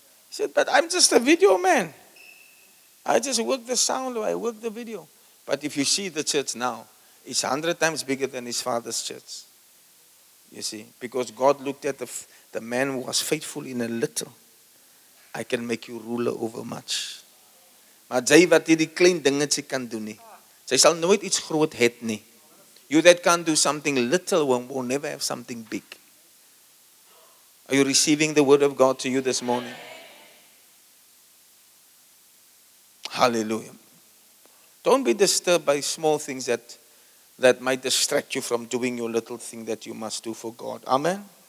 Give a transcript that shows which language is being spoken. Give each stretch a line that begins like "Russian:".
English: He said, but I'm just a video man. I just work the sound, or I work the video. But if you see the church now, it's 100 times bigger than his father's church. You see, because God looked at the man who was faithful in a little. I can make you ruler over much.
Afrikaans: Maar jy wat hierdie klein dingetjie kan doen nie. Jy sal nooit iets groot het nie.
English: You that can do something little will never have something big. Are you receiving the word of God to you this morning? Hallelujah. Don't be disturbed by small things that might distract you from doing your little thing that you must do for God. Amen.